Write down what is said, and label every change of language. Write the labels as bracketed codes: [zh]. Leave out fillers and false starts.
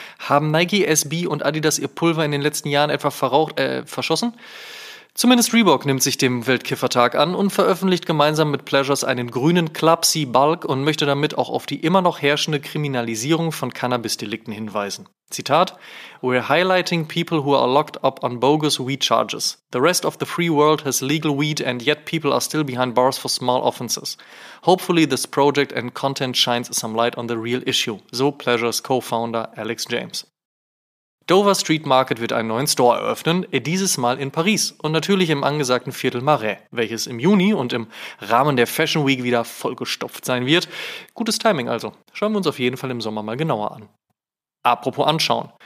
[de] Haben Nike, SB und Adidas ihr Pulver in den letzten Jahren etwa verschossen? Zumindest Reebok nimmt sich dem Weltkiffertag an und veröffentlicht gemeinsam mit Pleasures einen grünen Clubsy Bulk und möchte damit auch auf die immer noch herrschende Kriminalisierung von Cannabis-Delikten hinweisen. [en] Zitat: We're highlighting people who are locked up on bogus weed charges. The rest of the free world has legal weed and yet people are still behind bars for small offenses. Hopefully this project and content shines some light on the real issue. [de] So Pleasures Co-Founder Alex James. Dover Street Market wird einen neuen Store eröffnen, dieses Mal in Paris und natürlich im angesagten Viertel Marais, welches im Juni und im Rahmen der Fashion Week wieder vollgestopft sein wird. Gutes Timing also. Schauen wir uns auf jeden Fall im Sommer mal genauer an. Apropos anschauen.